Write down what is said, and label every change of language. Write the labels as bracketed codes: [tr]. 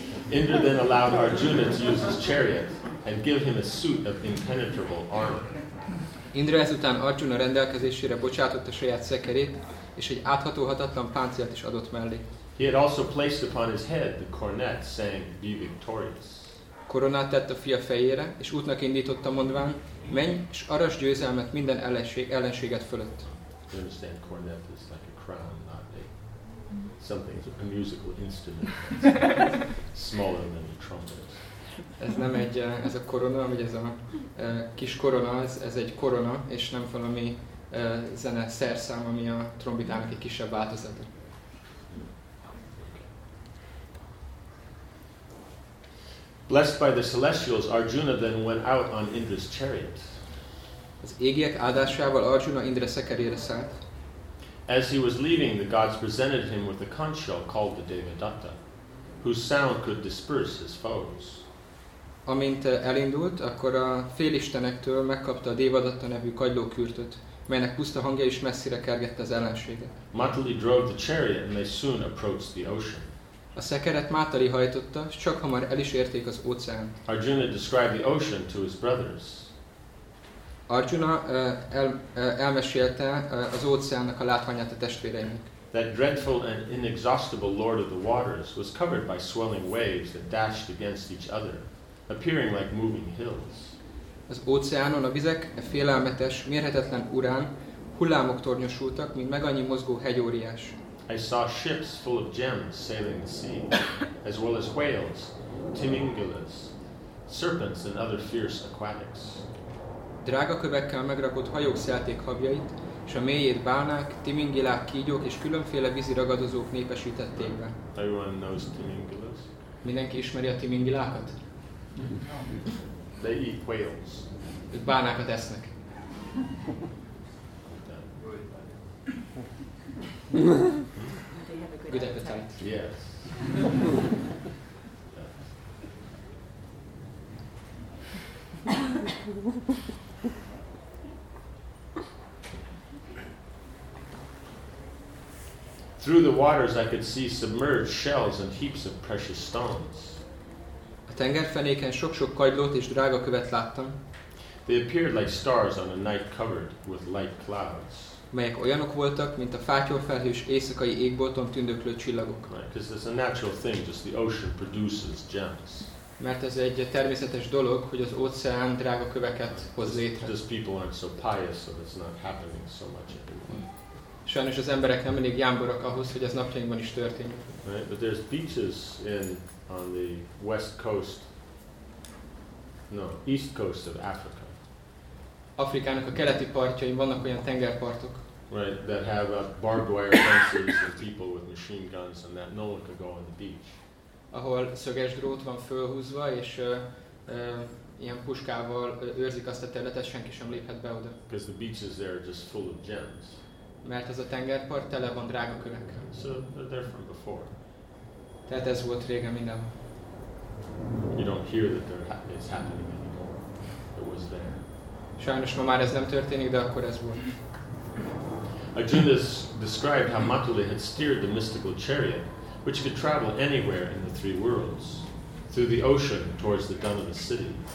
[en] Indra then allowed Arjuna to use his chariot and give him a suit of impenetrable armor. [hu] Indra ezután Arjuna rendelkezésére bocsátott a saját szekerét, és egy áthatóhatatlan páncélt is adott mellé. [en] He had also placed upon his head the coronet saying, "Be victorious." [hu] Koronát tett a fia fejére, és útnak indította mondván, menj, és arasd győzelmet minden ellenséget fölött. [en] You understand, cornet is like a crown, not a something, a musical instrument, smaller than a trumpet. [hu] Ez nem egy, ez a korona, vagy ez a kis korona, ez egy korona, és nem valami zene szerszám, ami a trombitának egy kisebb változata. [en] Blessed by the celestials, Arjuna then went out on Indra's chariot. [hu] Az égiek áldásával Arjuna Indra szekerére szállt. [en] As he was leaving, the gods presented him with a conch shell called the Devadatta, whose sound could disperse his foes. [hu] Amint elindult, akkor a félistenektől megkapta a Devadatta nevű kagylókürtöt, melynek puszta hangja is messzire kergette az ellenséget. [en] Matali drove the chariot and they soon approached the ocean. [hu] A szekeret Mátali hajtotta, és csak hamar el is érték az óceánt. [en] Arjuna described the ocean to his brothers. [hu] Arjuna elmesélte az óceánnak a látványát a testvéreinek. [en] That dreadful and inexhaustible lord of the waters was covered by swelling waves that dashed against each other, appearing like moving hills. [hu] Az óceánon a vizek félelmetes, mérhetetlen urán hullámok tornyosultak, mint megannyi mozgó hegyóriás. [en] I saw ships full of gems sailing the sea, as well as whales, timingulas, serpents and other fierce aquatics. [hu] Drága kövekkel megrakott hajók szelték habjait, és a mélyét bálnák, timingilák, kígyók és különféle vízi ragadozók népesítették be. [en] Everyone knows timingulas. [hu] Mindenki ismeri a timingilákat? [en] They eat whales. [hu] Ők bálnákat esznek. [en] Good appetite. Yes. Through the waters I could see submerged shells and heaps of precious stones. [hu] A tengerfenéken sok-sok kagylót és drága követ láttam. [en] They appeared like stars on a night covered with light clouds. [hu] Melyek olyanok voltak, mint a fátyolfelhős éjszakai égbolton tündöklő csillagok. [en] Because it's a natural thing, just the ocean produces gems. [hu] Mert ez egy természetes dolog, hogy az óceán drága köveket hoz létre. [en] Because people aren't so pious, so it's not happening so much anymore. [hu] Sajnos az emberek nem elég jámborak ahhoz, hogy ez napjainkban is történjük. [en] Right, but there's beaches in on the west coast, no, east coast of Africa. [hu] Afrikának a keleti partjain vannak olyan tengerpartok. [en] Right, that have barbed wire fences and people with machine guns and that no one could go on the beach. [hu] Ahol szöges drót van fölhúzva, és ilyen puskával őrzik azt a területet, senki sem léphet be oda. [en] Because the beaches there are just full of gems. [hu] Mert az a tengerpart tele van drága kövekkel. [en] So they're there from before. [hu] Tehát ez volt régen minden. [en] You don't hear that it's happening anymore. It was there. [hu] Sajnos ma már ez nem történik, de akkor ez volt. [en] Arjuna described how Matuli had steered the mystical chariot, which could travel anywhere in the three worlds, through the ocean towards the Dhamma city.